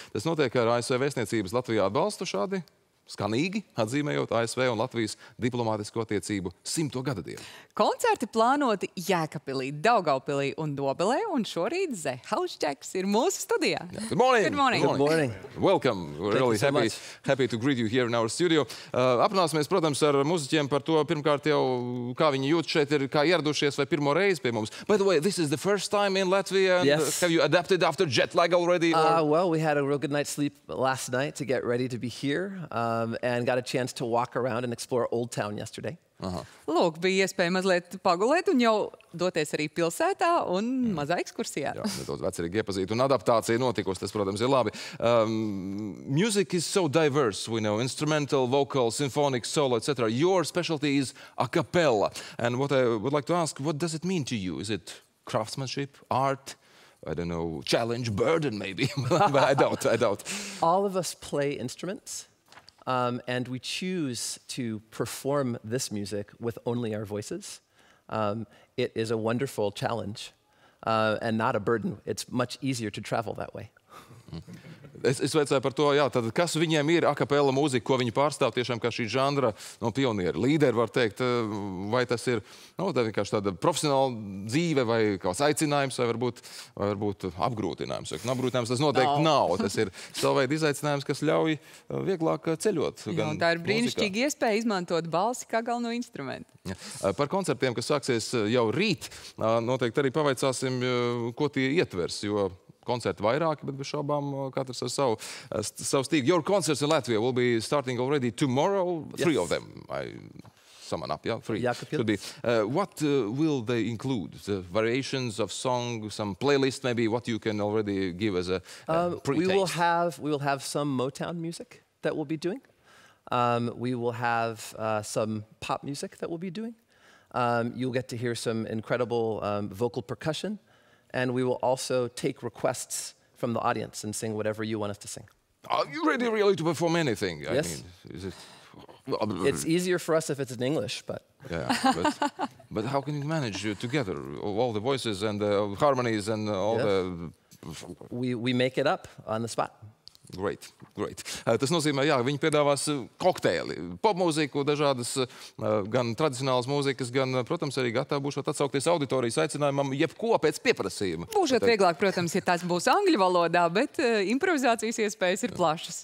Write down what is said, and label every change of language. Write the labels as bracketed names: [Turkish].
[Latvian] Tas notiek ar ASV vēstniecības Latvijā atbalstu šādi, skanīgi atzīmējot ASV un Latvijas diplomātisko attiecību 100. Gada dienu. Koncerti plānoti Jēkabpilī, Daugavpilī un Dobelē, un šorīt The House Jacks ir mūsu studijā. [English] Good morning! Good morning! Good morning. Welcome! We're really happy, happy to greet you here in our studio. [Latvian] Aprunāsimies, protams, ar muziķiem par to, pirmkārt jau, kā viņi jūt šeit ir, kā ieradušies vai pirmo reizi pie mums. [English] By the way, this is the first time in Latvia. Yes. Have you adapted after jet lag already? Well, we had a real good night's sleep last night to get ready to be here. And got a chance to walk around and explore Old Town yesterday. [Latvian] Lūk, bija iespēja mazliet pagulēt un jau doties arī pilsētā un mazā ekskursijā. Jā, nedaudz vecerīgi iepazīt. Un adaptācija notikusi, tas, protams, ir labi. [English] Music is so diverse, we know, instrumental, vocal, symphonic, solo, etc. Your specialty is a cappella. And what I would like to ask, what does it mean to you? Is it craftsmanship, art? I don't know, challenge, burden maybe? But I doubt. All of us play instruments. And we choose to perform this music with only our voices. It is a wonderful challenge and not a burden. It's much easier to travel that way. [Latvian] Es vecāju par to, jā, tad kas viņiem ir acapella mūzika, ko viņi pārstāv tiešām kā šī žandra no pionieri, līderi, var teikt, vai tas ir vienkārši tāda profesionāla dzīve vai kāds aicinājums, vai varbūt apgrūtinājums. Un apgrūtinājums tas noteikti nav, tas ir savveida izaicinājums, kas ļauj vieglāk ceļot. Jā, un tā ir brīnišķīga iespēja izmantot balsi kā galveno instrumentu. Ja. Par koncertiem, kas sāksies jau rīt, noteikti arī pavaicāsim, ko tie ietvers, jo koncerti vairāki, bet šobām katrs ar savu stīgu. [English] Your concerts in Latvia will be starting already tomorrow. Yes. Three of them. I sum up, yeah? Three. [Latvian] Jākapils. [English] What will they include? The variations of song, some playlist maybe, what you can already give as a pre-taste? We will have some Motown music that we'll be doing. We will have some pop music that we'll be doing. You'll get to hear some incredible vocal percussion. And we will also take requests from the audience and sing whatever you want us to sing. Are you ready really to perform anything? Yes. I mean, is it... It's easier for us if it's in English, but... Yeah, but how can you manage together all the voices and the harmonies and all yes. the... We make it up on the spot. Great, great. [Latvian] Tas nozīmē, jā, viņi piedāvās kokteili, popmūziku, dažādas gan tradicionālas mūzikas, gan, protams, arī gatavi būšot atsaukties auditorijas aicinājumam, jebko pēc pieprasījuma. Būšot vieglāk, protams, ja tas būs angļu valodā, bet improvizācijas iespējas ir plašas.